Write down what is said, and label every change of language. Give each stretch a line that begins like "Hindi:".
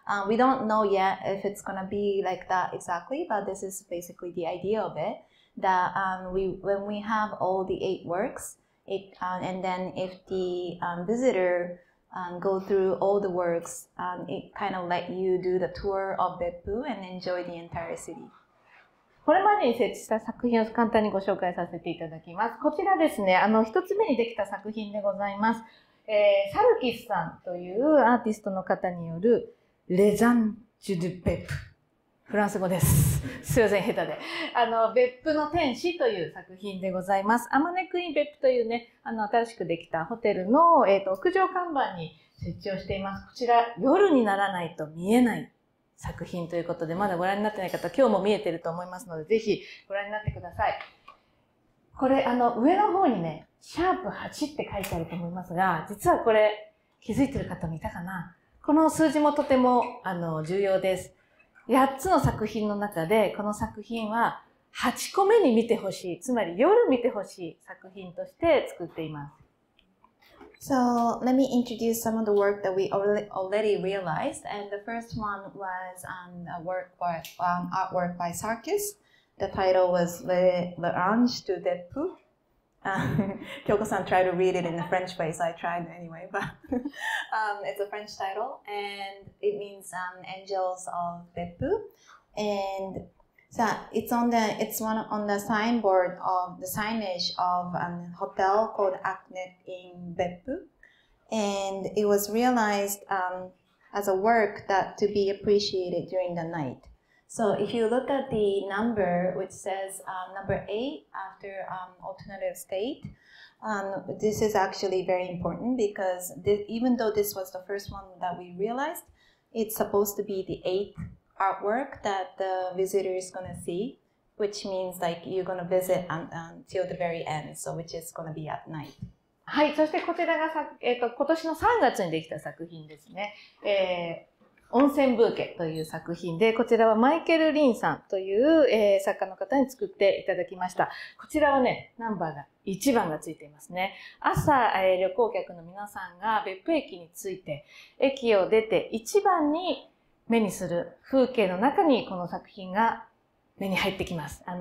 English: We don't know yet if it's gonna be like that exactly, but this is basically the idea of it. That when we have all the 8 works,and then if the visitor go through all the works, it kind of let you do the tour of Beppu and enjoy the entire city.
Japanese: これまでに設置した作品を簡単にご紹介させていただきます。こちらですね、一つ目にできた作品でございます。サルキスさんというアーティストの方によるレザンジュドゥベップ。フランス語です。すいません、下手で。別府の天使という作品でございます。アマネクイン別府というね、新しくできたホテルの、屋上看板に設置をしています。こちら、夜にならないと見えない作品ということで、まだご覧になってない方、今日も見えてると思いますので、ぜひご覧になってください。これ、上の方にね、シャープ8って書いてあると思いますが、実はこれ、気づいてる方もいたかな。この数字もとても、重要です。8つの作品の中で、この作品は8個目に見てほしい、つまり夜見てほしい作品として作っています。
English: So, let me introduce some of the work that we already realized. And the first one was artwork by Sarkis. The title was Le Ange du Beppu. Kyoko-san tried to read it in the French way, so I tried anyway, but it's a French title, and it means Angels of Beppu. And so it's on the signboard of the signage of a hotel called Aknet in Beppu. And it was realized as a work that to be appreciated during the night. So if you look at the number, which says number 8 after alternative state, this is actually very important because even though this was the first one that we realized, it's supposed to be the 8th artwork that the visitor is going to see, which means like you're going to visit until the very end, so which is going to be at night.
Japanese: はい、そしてこちらが今年の3月にできた作品ですね。温泉ブーケという作品で、こちらはマイケル・リンさんという、作家の方に作っていただきました。こちらはね、ナンバーが1番がついていますね。朝、旅行客の皆さんが別府駅に着いて、駅を出て1番に目にする風景の中にこの作品が目に入ってきます。